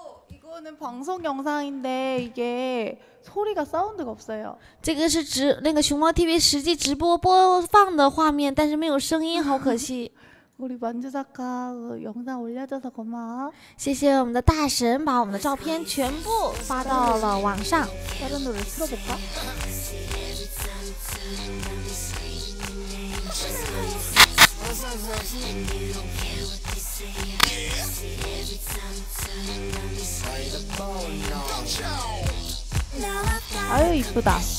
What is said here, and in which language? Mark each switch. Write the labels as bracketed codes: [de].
[ko] 이거는방송영상인데이게소리가사운드가없어요 [zh] 这个是直那个熊猫 TV 实际直播播放的画面，但是没有声音，好可惜。 [ko] 우리만주작가영상올려줘서고마워 [zh] 谢谢我们的大神把我们的照片全部发到了网上 [ko] 다른노래틀어볼까아유이쁘다